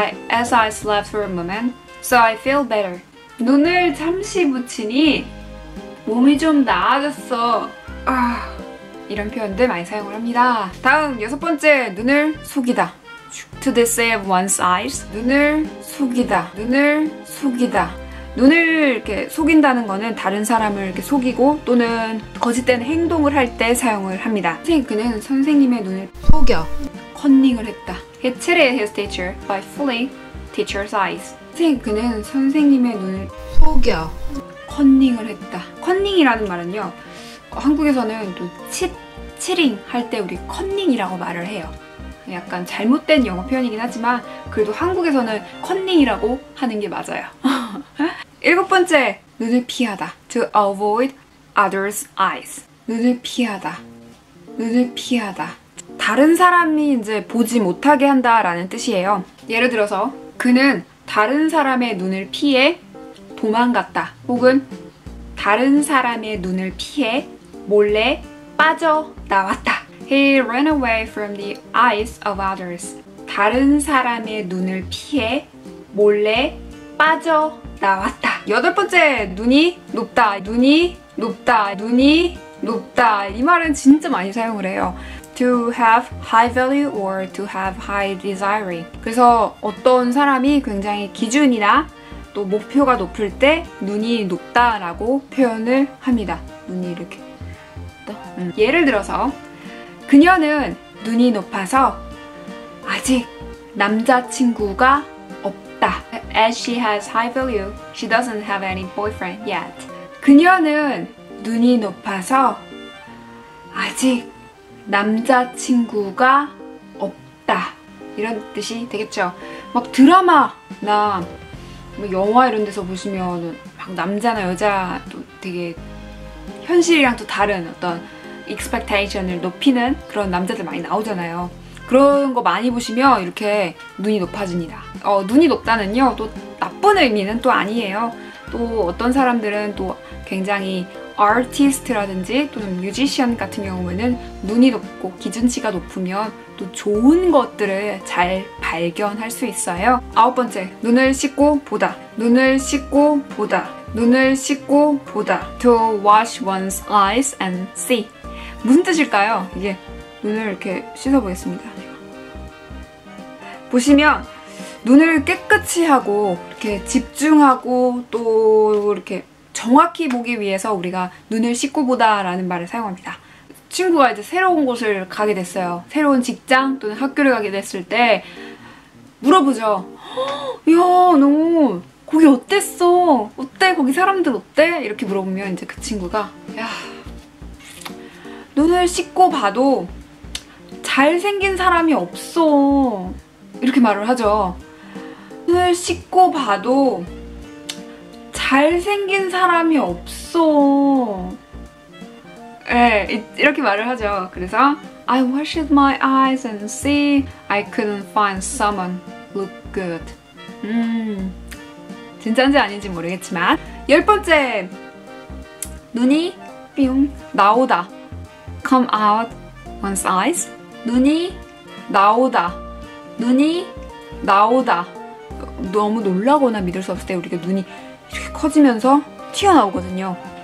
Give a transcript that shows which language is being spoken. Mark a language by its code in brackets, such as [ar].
[en] As I slept for a moment, so I feel better. [ko] 눈을 잠시 붙이니 몸이 좀 나아졌어. 이런 표현들 많이 사용을 합니다. 다음 여섯 번째, 눈을 속이다. [en] To deceive one's eyes. [ko] 눈을 속이다. 눈을 속이다. 눈을 이렇게 속인다는 거는 다른 사람을 이렇게 속이고 또는 거짓된 행동을 할 때 사용을 합니다. 선생님, 그는 선생님의 눈을 속여. 컨닝을 했다. [en] He cheated his teacher by fooling teacher's eyes. [ko] 선생님, 그는 선생님의 눈을 속여. 컨닝을 했다. 컨닝이라는 말은요, 한국에서는 또 치링 할 때 우리 컨닝이라고 말을 해요. 약간 잘못된 영어 표현이긴 하지만 그래도 한국에서는 컨닝이라고 하는 게 맞아요. 일곱 번째, 눈을 피하다. [en] To avoid others' eyes. [ko] 눈을 피하다. 눈을 피하다. 다른 사람이 이제 보지 못하게 한다라는 뜻이에요. 예를 들어서 그는 다른 사람의 눈을 피해 도망갔다. 혹은 다른 사람의 눈을 피해 몰래 빠져나왔다. [en] He ran away from the eyes of others. [ko] 다른 사람의 눈을 피해 몰래 빠져나왔다. 여덟 번째, 눈이 높다. 눈이 높다. 눈이 높다. 이 말은 진짜 많이 사용을 해요. [en] To have high value or to have high desiring. [ko] 그래서 어떤 사람이 굉장히 기준이나 또 목표가 높을 때 눈이 높다라고 표현을 합니다. 눈이 이렇게 높다. 예를 들어서 그녀는 눈이 높아서 아직 남자친구가 없다. [en] As she has high value, she doesn't have any boyfriend yet. [ko] 그녀는 눈이 높아서 아직 남자친구가 없다. 이런 뜻이 되겠죠. 막 드라마나 뭐 영화 이런 데서 보시면 막 남자나 여자 또 되게 현실이랑 또 다른 어떤 expectation을 높이는 그런 남자들 많이 나오잖아요. 그런 거 많이 보시면 이렇게 눈이 높아집니다. 눈이 높다는요, 또 나쁜 의미는 또 아니에요. 또 어떤 사람들은 또 굉장히 아티스트라든지 또는 뮤지션 같은 경우에는 눈이 높고 기준치가 높으면 또 좋은 것들을 잘 발견할 수 있어요. 아홉 번째, 눈을 씻고 보다. 눈을 씻고 보다. 눈을 씻고 보다. [en] To wash one's eyes and see. [ko] 무슨 뜻일까요? 이게 눈을 이렇게 씻어보겠습니다. 보시면 눈을 깨끗이 하고 이렇게 집중하고 또 이렇게 정확히 보기 위해서 우리가 눈을 씻고 보다라는 말을 사용합니다. 친구가 이제 새로운 곳을 가게 됐어요. 새로운 직장 또는 학교를 가게 됐을 때 물어보죠. 야, 너 거기 어땠어? 어때? 거기 사람들 어때? 이렇게 물어보면 이제 그 친구가 야, 눈을 씻고 봐도 잘생긴 사람이 없어. 이렇게 말을 하죠. 눈을 씻고 봐도 잘생긴 사람이 없어. 네, 이렇게 말을 하죠. 그래서 [en] I washed my eyes and see I couldn't find someone look good. [ko] 진짜인지 아닌지 모르겠지만 열 번째, 눈이 뿅 나오다. [en] Come out one's eyes. [ko] 눈이 나오다. 눈이 나오다. 너무 놀라거나 믿을 수 없을 때 우리가 눈이 이렇게 커지면서 튀어나오거든요.